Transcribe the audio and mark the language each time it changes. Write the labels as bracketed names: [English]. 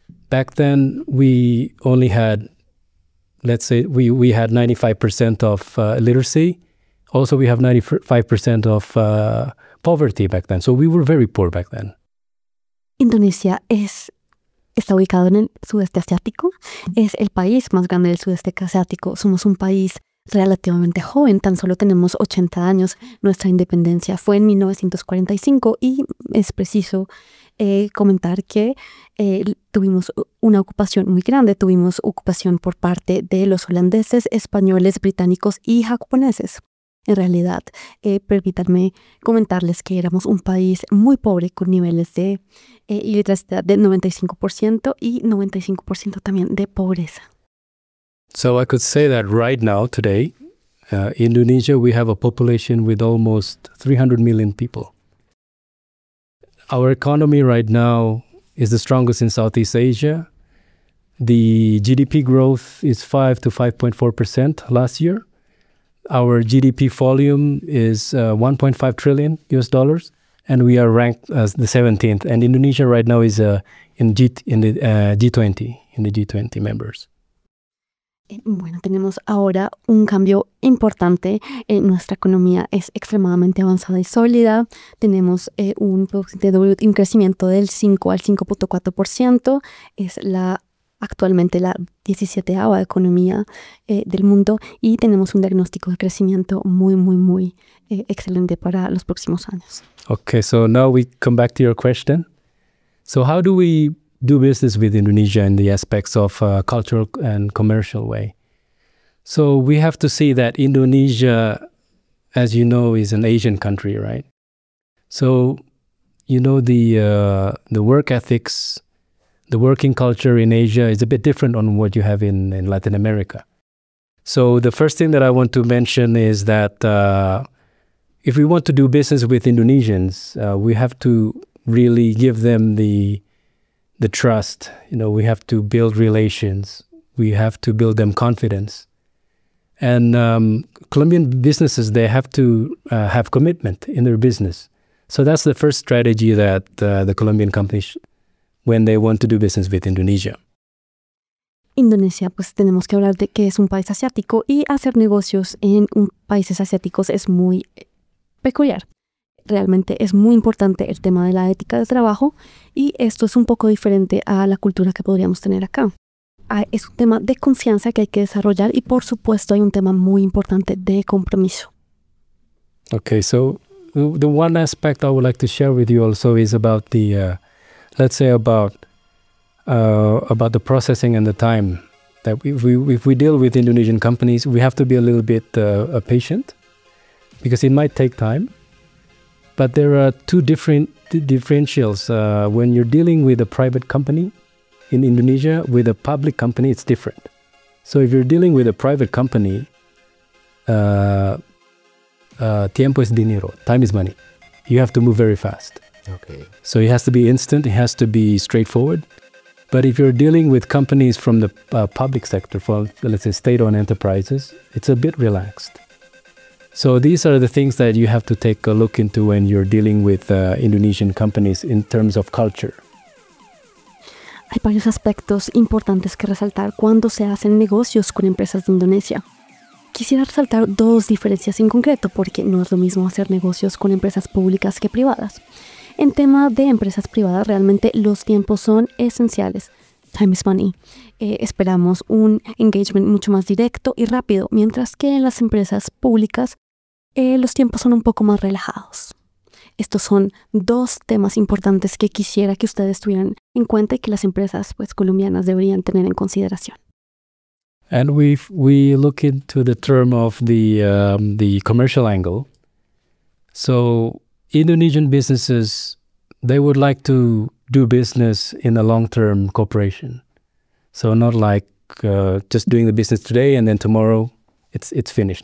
[English] Back then, we only had, let's say, we had 95% of literacy. Also, we have 95% of poverty back then. So we were very poor back then. [Spanish] Indonesia está ubicado en el sudeste asiático. Es el país más grande del sudeste asiático. Somos un país relativamente joven, tan solo tenemos 80 años. Nuestra independencia fue en 1945 y es preciso comentar que tuvimos una ocupación muy grande. Tuvimos ocupación por parte de los holandeses, españoles, británicos y japoneses. En realidad, permítanme comentarles que éramos un país muy pobre con niveles de ilitracidad de 95% y 95% también de pobreza. [English] So I could say that right now, today, Indonesia, we have a population with almost 300 million people. Our economy right now is the strongest in Southeast Asia. The GDP growth is 5 to 5.4% last year. Our GDP volume is 1.5 trillion US dollars, and we are ranked as the 17th. And Indonesia right now is in the G20 members. [Spanish] Bueno, tenemos ahora un cambio importante. Nuestra economía es extremadamente avanzada y sólida. Tenemos un crecimiento del 5 al 5.4%. Es actualmente la 17ª economía del mundo y tenemos un diagnóstico de crecimiento muy, muy, muy excelente para los próximos años. [English] Okay, so now we come back to your question. So how do we do business with Indonesia in the aspects of a cultural and commercial way? So we have to see that Indonesia, as you know, is an Asian country, right? So, you know, the work ethics, the working culture in Asia is a bit different on what you have in Latin America. So the first thing that I want to mention is that if we want to do business with Indonesians, we have to really give them the trust, you know, we have to build relations, we have to build them confidence. And Colombian businesses, they have to have commitment in their business. So that's the first strategy that the Colombian companies, when they want to do business with Indonesia. [Spanish] Indonesia, pues tenemos que hablar de que es un país asiático y hacer negocios en países asiáticos es muy peculiar. Realmente es muy importante el tema de la ética de trabajo y esto es un poco diferente a la cultura que podríamos tener acá. Es un tema de confianza que hay que desarrollar y por supuesto hay un tema muy importante de compromiso. [English] Okay, so the one aspect I would like to share with you also is about the, let's say about the processing and the time that if we deal with Indonesian companies, we have to be a little bit patient because it might take time. But there are two different differentials. When you're dealing with a private company in Indonesia, with a public company, it's different. So if you're dealing with a private company, [Spanish] tiempo es dinero, [English] time is money. You have to move very fast. Okay. So it has to be instant, it has to be straightforward. But if you're dealing with companies from the public sector, for let's say state-owned enterprises, it's a bit relaxed. So these are the things that you have to take a look into when you're dealing with Indonesian companies in terms of culture. [Spanish] Hay varios aspectos importantes que resaltar cuando se hacen negocios con empresas de Indonesia. Quisiera resaltar dos diferencias en concreto porque no es lo mismo hacer negocios con empresas públicas que privadas. En tema de empresas privadas, realmente los tiempos son esenciales. [English] Time is money. [Spanish] Esperamos un engagement mucho más directo y rápido, mientras que en las empresas públicas los tiempos son un poco más relajados. Estos son dos temas importantes que quisiera que ustedes tuvieran en cuenta y que las empresas pues, colombianas deberían tener en consideración. [English] And we look into the term of the commercial angle. So Indonesian businesses, they would like to do business in a long-term cooperation. So not like just doing the business today and then tomorrow it's finished.